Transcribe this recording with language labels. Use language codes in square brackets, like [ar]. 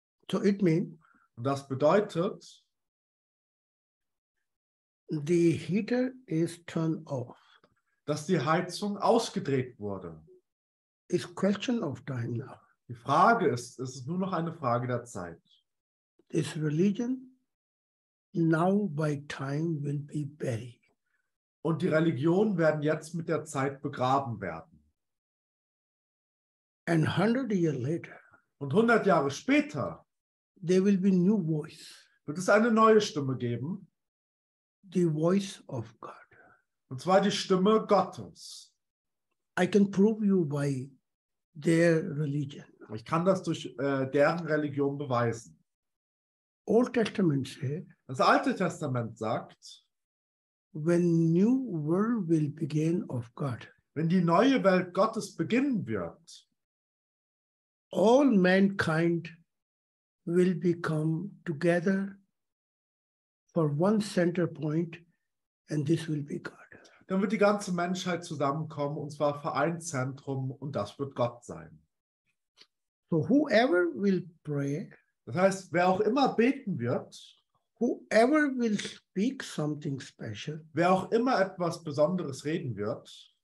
[en] So it means. [de] Und das bedeutet. [en] The heater is turned off. [de] Dass die Heizung ausgedreht wurde. [en] It's question of time now. [de] Die Frage ist, es ist nur noch eine Frage der Zeit. [en] This religion now by time will be buried. [de] Und die Religionen werden jetzt mit der Zeit begraben werden. [en] And 100 years later. [de] Und 100 Jahre später. [en] There will be new voice. [de] Wird es eine neue Stimme geben? [en] The voice of God. [de] Und zwar die Stimme Gottes. [en] I can prove you by their religion. [de] Ich kann das durch deren Religion beweisen. [en] Old Testament say, [de] das Alte Testament sagt, [en] when new world will begin of God, [de] wenn die neue Welt Gottes beginnen wird, [en] all mankind will become together for one center point, and this will be God. [de] Dann wird die ganze Menschheit zusammenkommen, und zwar für ein Zentrum, und das wird Gott sein. [en] So whoever will pray. [de] Das heißt, wer auch immer beten wird, [en] whoever will speak something special, [de] wer auch immer etwas Besonderes reden wird,